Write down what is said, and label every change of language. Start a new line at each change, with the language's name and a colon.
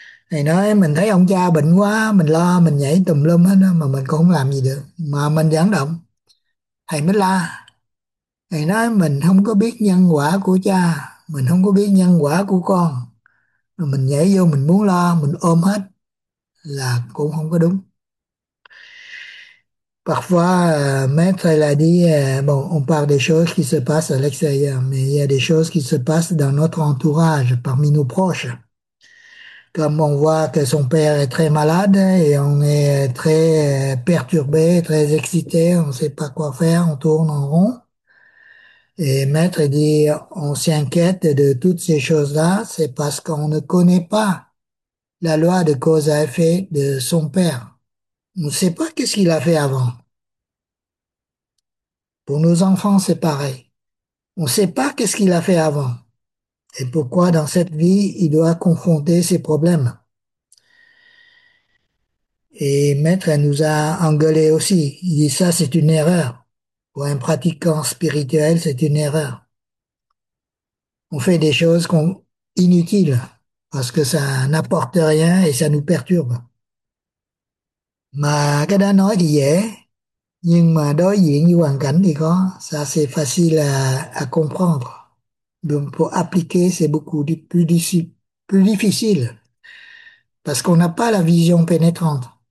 Vietnamese: Thầy nói mình thấy ông cha bệnh quá, mình lo, mình nhảy tùm lum hết đó, mà mình cũng không làm gì được, mà mình vẫn động. Thầy mới la. Thầy nói mình không có biết nhân quả của cha, mình không có biết nhân quả của con, mà mình nhảy vô mình muốn lo, mình ôm hết là cũng không có đúng.
French: Parfois, Maître l'a dit, bon, on parle des choses qui se passent à l'extérieur, mais il y a des choses qui se passent dans notre entourage, parmi nos proches. Comme on voit que son père est très malade et on est très perturbé, très excité, on ne sait pas quoi faire, on tourne en rond. Et Maître dit, on s'inquiète de toutes ces choses-là, c'est parce qu'on ne connaît pas la loi de cause à effet de son père. On ne sait pas qu'est-ce qu'il a fait avant. Pour nos enfants, c'est pareil. On ne sait pas qu'est-ce qu'il a fait avant et pourquoi dans cette vie, il doit confronter ses problèmes. Et Maître nous a engueulé aussi. Il dit ça, c'est une erreur. Pour un pratiquant spirituel, c'est une erreur. On fait des choses inutiles parce que ça n'apporte rien et ça nous perturbe.
Vietnamese: Mà cái đó nói thì dễ, nhưng mà đối diện với hoàn cảnh thì có.
French: Ça c'est facile à comprendre. Donc pour appliquer, c'est beaucoup plus difficile. parce qu'on n'a pas la vision pénétrante.